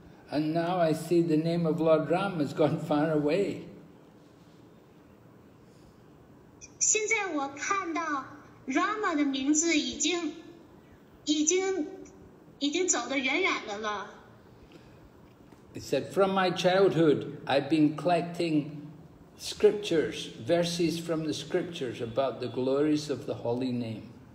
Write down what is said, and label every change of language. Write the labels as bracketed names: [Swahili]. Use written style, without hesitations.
[English] And now I see the name of Lord Ram has gone far away. [Chinese] 现在我看到 Rama 的名字已经走得远远的了。 [English] He said, from my childhood, I've been collecting scriptures, verses from the scriptures about the glories of the holy name.